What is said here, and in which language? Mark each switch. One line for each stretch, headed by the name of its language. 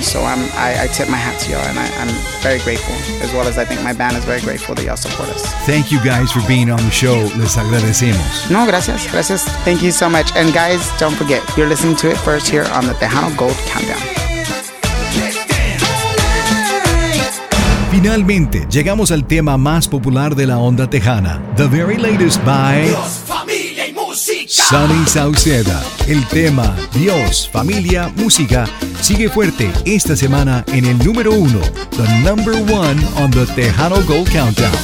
English: So I tip my hat to y'all, and I'm very grateful, as well as I think my band is very grateful that y'all support us. Thank you guys for being on the show.
Spanish: Les agradecemos. No, gracias. Gracias.
English: Thank you so much. And guys, don't forget, you're listening to it first here on the Tejano Gold Countdown.
Spanish: Finalmente, llegamos al tema más popular de la onda tejana.
English: The very latest by
Spanish: Dios, familia y música. Sunny Sauceda. El tema Dios, familia, música sigue fuerte esta semana en el número uno.
English: The number one on the Tejano Gold Countdown.